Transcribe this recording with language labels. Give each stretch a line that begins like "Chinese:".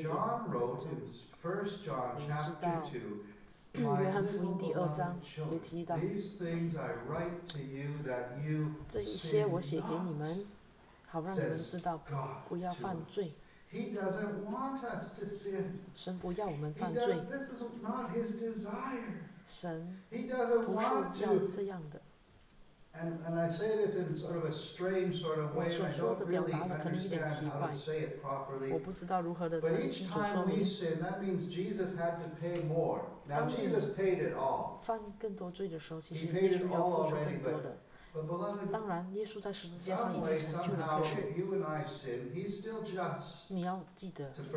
Chinese: 眼中。
English: John wrote in 1 John chapter 2, My little beloved children, these things I write to you that you sin not, says God to us. He doesn't want us to sin.
Chinese: 神不要我们犯罪。
English: This is not his desire.
Chinese: 神不是要这样的。
English: And I say this in sort of a strange sort of way.
Chinese: 我所说的表达可能有点奇怪。我不知道如何的这样清楚说明。
English: But each time we sin, that means Jesus had to pay more. Now Jesus paid it all.
Chinese: 犯更多罪的时候，其实耶稣要付出更多的。当然，耶稣在十字架上已经成就了。可是，你要记得。